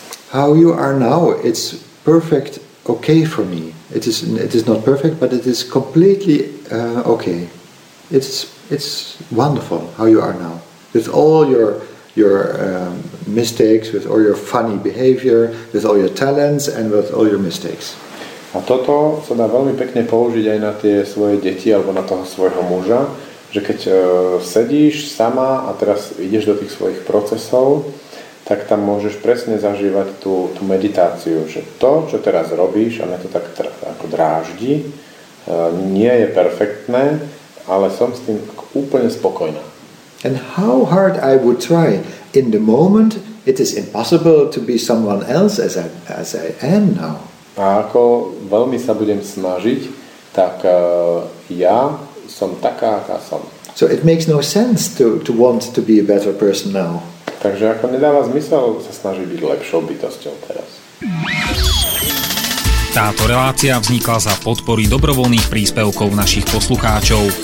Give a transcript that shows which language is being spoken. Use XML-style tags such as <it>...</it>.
<en>How you are now, it's perfect okay for me. It is not perfect, but it is completely okay. It's wonderful how you are now. With all your mistakes, with all your funny behavior, with all your talents and with all your mistakes.</en> <sk>A toto sa dá veľmi pekne použiť aj na tie svoje deti alebo na toho svojho muža, že keď sedíš sama a teraz ideš do tých svojich procesov, tak tam môžeš presne zažívať tú meditáciu, že to, čo teraz robíš, a mňa to tak ako dráždi, nie je perfektné, ale som s tým úplne spokojná.</sk> <en>And how hard I would try in the moment, it is impossible to be someone else as I am now.</en> <sk>A ako veľmi sa budem snažiť, tak ja som taká, aká som.</sk> <en>So it makes no sense to want to be a better person now.</en> <sk>Takže ako nedáva zmysel sa snažiť byť lepšou bytosťou teraz. Táto relácia vznikla za podpory dobrovoľných príspevkov našich poslucháčov.</sk>